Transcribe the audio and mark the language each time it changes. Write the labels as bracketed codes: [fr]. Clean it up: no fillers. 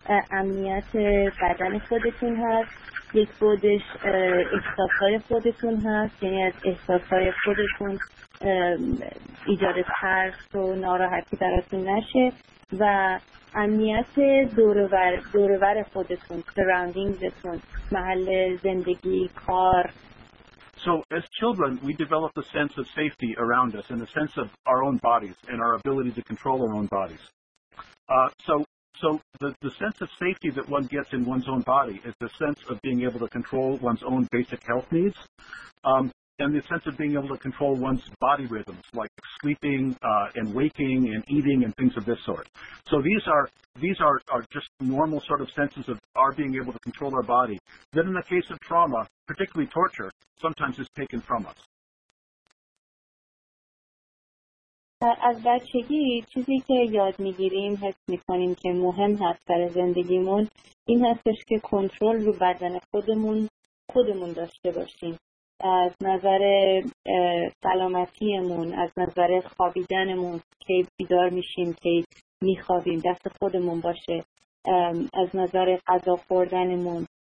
[fa] امنیت بدن خودتون هست، یک بودش احساسهای خودتون هست، یعنی از احساسهای خودتون ایجاد ترس و ناراحتی براتون نشه، و امنیت دورور خودتون، سراندینگتون، محل زندگی، کار. [en] So as children, we develop a sense of safety around us and a sense of our own bodies and our ability to control our own bodies. So the sense of safety that one gets in one's own body is the sense of being able to control one's own basic health needs, and the sense of being able to control one's body rhythms, like sleeping and waking and eating and things of this sort. So these are just normal sort of senses of our being able to control our body that in the case of trauma, particularly torture, sometimes is taken from us. [fa] از بچگی چیزی که یاد میگیریم، حس میکنیم که مهم هست در زندگیمون، این هستش که کنترل رو بدن خودمون داشته باشیم. از نظر سلامتیمون، از نظر خوابیدنمون، کی بیدار میشیم، کی میخوابیم، دست خودمون باشه. از نظر غذا خوردنمون،